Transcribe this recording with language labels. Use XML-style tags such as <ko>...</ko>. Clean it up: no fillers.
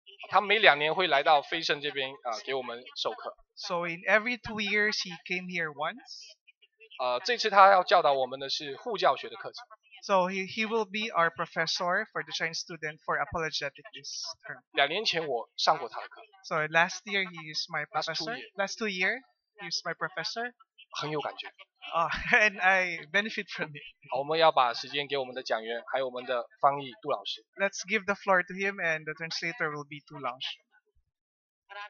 <zh>他每两年会来到飞升这边给我们授课。</zh> <en>So in every 2 years he came here once.</en> <zh>这次他要教导我们的是护教学的课程。</zh> <en>So he will be our professor for the Chinese student for apologetics this term.</en> <zh>两年前我上过他的课。</zh> <en>So last year he is my professor. Last 2 years he is my professor.</en> <zh>很有感觉。</zh> <en>And I benefit from it.</en> <zh>好，我们要把时间给我们的讲员，还有我们的翻译杜老师。</zh> <en>Let's give the floor to him and the translator will be 杜老师。</en>